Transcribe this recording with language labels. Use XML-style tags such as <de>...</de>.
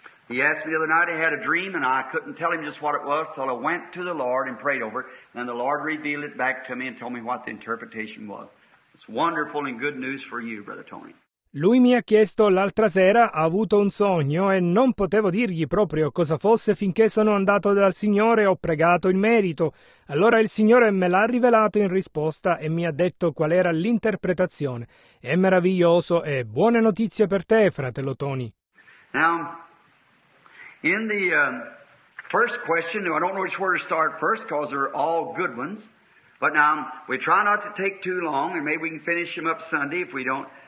<en>He asked me the other night, I had a dream and I couldn't tell him just what it was till I went to the Lord and prayed over it, and the Lord revealed it back to me and told me what the interpretation was. It's wonderful and good news for you, Brother Tony.</en> <it>Lui mi ha chiesto l'altra sera, ha avuto un sogno e non potevo dirgli proprio cosa fosse finché sono andato dal Signore e ho pregato in merito. Allora il Signore me l'ha rivelato in risposta e mi ha detto qual era l'interpretazione. È meraviglioso e buone notizie per te, fratello Tony.</it> <en>Now, in the first question, I don't know which way to start first because they're all good ones, but now we try not to take too long and maybe we can finish them up Sunday if we don't.</en>